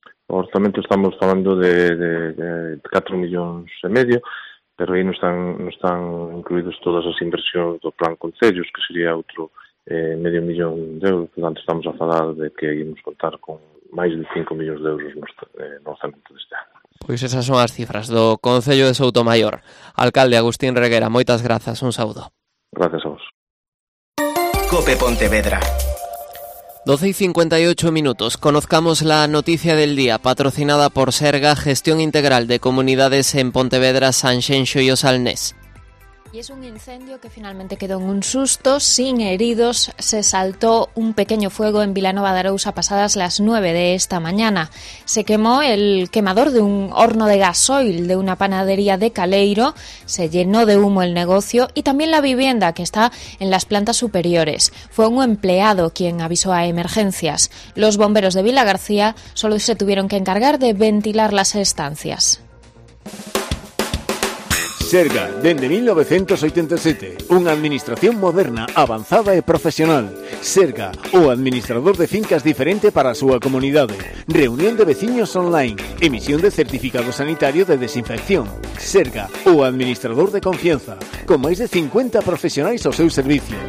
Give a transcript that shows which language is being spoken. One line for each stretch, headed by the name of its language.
Galician: O orzamento estamos falando de 4 millóns e medio, pero aí non están incluídos todas as inversións do plan concellos, que sería outro medio millón de euros. Portanto, estamos a falar de que íamos contar con máis de 5 millóns de euros no orzamento deste ano. Pois esas son as cifras do Concello de Souto Maior. Alcalde Agustín Reguera, moitas grazas, un saúdo.
Spanish: Gracias a vos. COPE Pontevedra. 12:58, conozcamos la noticia del día, patrocinada por Serga, Gestión Integral de Comunidades en Pontevedra, Sanxenxo y Osalnés. Y es un incendio que finalmente quedó en un susto, sin heridos. Se saltó un pequeño fuego en Vilanova de Arousa pasadas las 9 de esta mañana. Se quemó el quemador de un horno de gasoil de una panadería de Caleiro, se llenó de humo el negocio y también la vivienda que está en las plantas superiores. Fue un empleado quien avisó a emergencias. Los bomberos de Vila García solo se tuvieron que encargar de ventilar las estancias.
Galician: Serga, dende 1987. Unha administración moderna, avanzada e profesional. Serga, o administrador de fincas diferente para a súa comunidade. Reunión de veciños online. Emisión de certificado sanitario de desinfección. Serga, o administrador de confianza. Con máis de 50 profesionais ao seu servicio.